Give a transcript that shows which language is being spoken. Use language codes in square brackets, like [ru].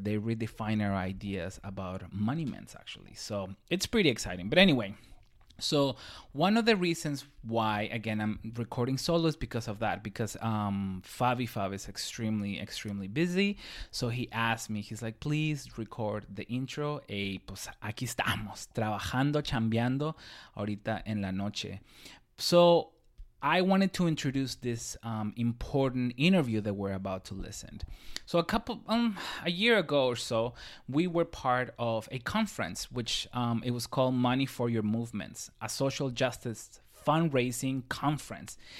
[en] They redefine our ideas about monuments, actually. So it's pretty exciting. But anyway, so one of the reasons why, again, I'm recording solo is because of that, because Fabi Fab is extremely, extremely busy. So he asked me, he's like, please record the intro. [es] Y pues aquí estamos, trabajando, chambeando, ahorita en la noche. [en] So I wanted to introduce this important interview that we're about to listen. So a year ago or so, we were part of a conference, which it was called Money for Your Movements, a social justice fundraising conference.